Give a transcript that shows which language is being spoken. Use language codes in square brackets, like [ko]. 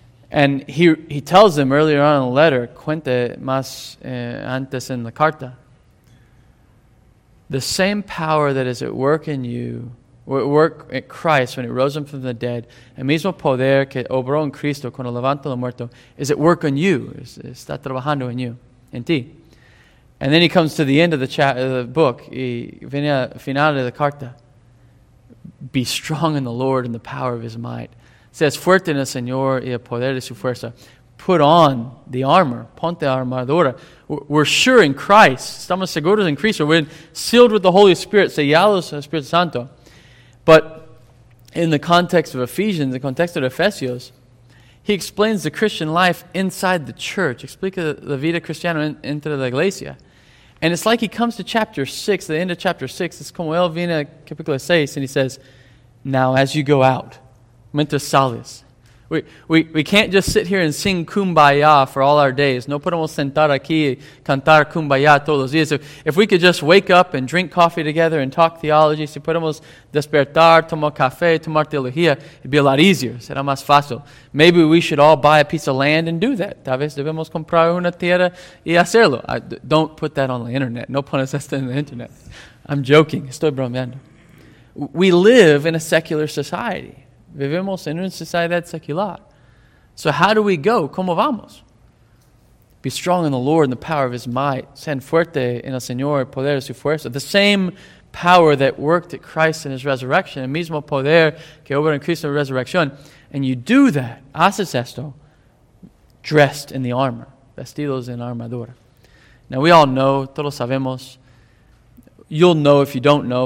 [en] And he tells them earlier on in the letter, [es] cuente más antes en la carta, [en] the same power that is at work in you, or at work at Christ when he rose him from the dead, [es] el mismo poder que obró en Cristo cuando levantó los muertos, [en] is at work in you, [es] está trabajando en [en] you, [es] en ti. [en] And then he comes to the end of the book, [es] y viene al final de la carta. [en] Be strong in the Lord and the power of his might. [es] Seas fuerte en el Señor y el poder de su fuerza. [en] Put on the armor. [es] Ponte armadura. [en] We're sure in Christ. [es] Estamos seguros en Cristo. [en] We're sealed with the Holy Spirit. [es] Sellados en el Espíritu Santo. [en] But in the context of Ephesians, the context of Ephesios, he explains the Christian life inside the church. [es] Explica la vida cristiana entre la iglesia. [en] And it's like he comes to chapter 6, the end of chapter 6. It's [es] como él viene a capítulo 6, [en] and he says, now as you go out, [es] mientras sales. [en] We can't just sit here and sing Kumbaya for all our days. [es] No podemos sentar aquí y cantar Kumbaya todos los días. [en] If we could just wake up and drink coffee together and talk theology, [es] si podemos despertar, tomar café, tomar teología, [en] it'd be a lot easier. [es] Será más fácil. [en] Maybe we should all buy a piece of land and do that. [es] Tal vez debemos comprar una tierra y hacerlo. [en] Don't put that on the internet. [es] No pones esto en [en] the internet. I'm joking. [es] Estoy bromeando. [en] We live in a secular society. [es] Vivimos en una sociedad secular. [en] So how do we go? [es] ¿Cómo vamos? [en] Be strong in the Lord and the power of his might. [es] Sean fuerte en el Señor, el poder de su fuerza. [en] The same power that worked at Christ in his resurrection, [es] el mismo poder que obra en Cristo en la resurrección. [en] And you do that, [es] haces esto, [en] dressed in the armor, [es] vestidos en armadura. [en] Now we all know, [es] todos sabemos. [en] You'll know if you don't know.